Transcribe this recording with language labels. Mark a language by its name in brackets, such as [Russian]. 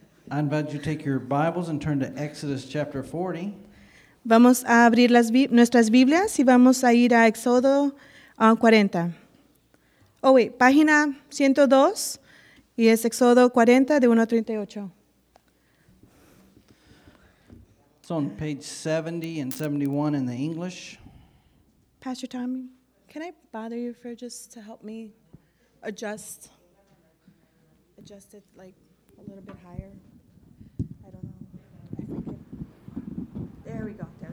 [English] I invite you to take your Bibles and turn to Exodus chapter 40. [Spanish] Vamos a abrir nuestras Biblias y vamos a ir a Éxodo 40. [English] Oh, wait, [Spanish] página 102 y es Éxodo 40 de 1 a 38. [English] It's on page 70 and 71 in the English. Pastor Tommy, can I bother you for just to help me adjust it like a little bit higher? I don't know. There we go.